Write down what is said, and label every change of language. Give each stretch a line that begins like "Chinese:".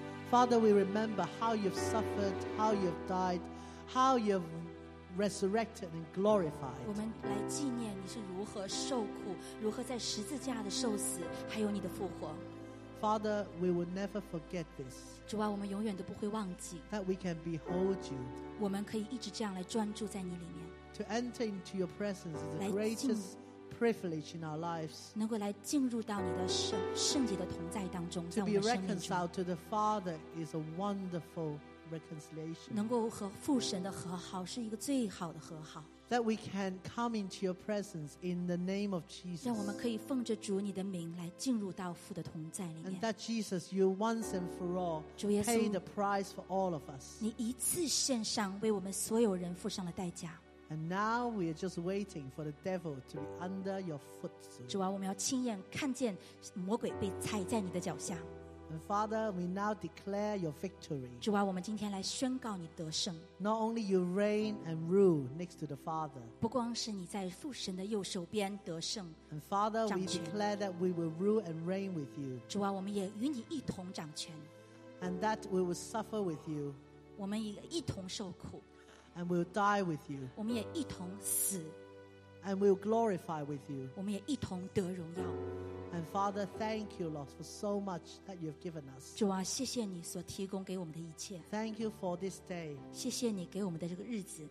English: Father, we remember how you've suffered, how you've died, how you've resurrected and glorified.
Chinese: 我们来纪念你是如何受苦，如何在十字架的受死，还有你的复活。
English: Father, we will never forget this.
Chinese: 主啊，我们永远都不会忘记。
English: That we can behold you.
Chinese: 我们可以一直这样来专注在你里面。
English: To enter into your presence is the greatest privilege in our lives.
Chinese: 能够来进入到你的圣洁的同在当中，在我们生命中。
English: To be reconciled to the Father is a wonderful reconciliation.
Chinese: 能够和父神的和好是一个最好的和好。
English: That we can come into your presence in the name of Jesus.
Chinese: 让我们可以奉着主你的名来进入到父的同在里面。
English: And that Jesus, you once and for all, pay the price for all of us.
Chinese: 你一次献上为我们所有人付上了代价。
English: And now we are just waiting for the devil to be under your foot.
Chinese: 主啊，我们要亲眼看见魔鬼被踩在你的脚下。
English: And Father, we now declare your victory.
Chinese: 主啊，我们今天来宣告你得胜。
English: Not only you reign and rule next to the Father.
Chinese: 不光是你在父神的右手边得胜。
English: And Father, we declare that we will rule and reign with you.
Chinese: 主啊，我们也与你一同掌权。
English: And that we will suffer with you.
Chinese: 我们也一同受苦。
English: And we'll die with you.
Chinese: 我们也一同死。
English: And we'll glorify with you.
Chinese: 我们也一同得荣耀。
English: And Father, thank you, Lord, for so much that you've given us.
Chinese: 主啊，谢谢你所提供给我们的一切。
English: Thank you for this day.
Chinese: 谢谢你给我们的这个日子。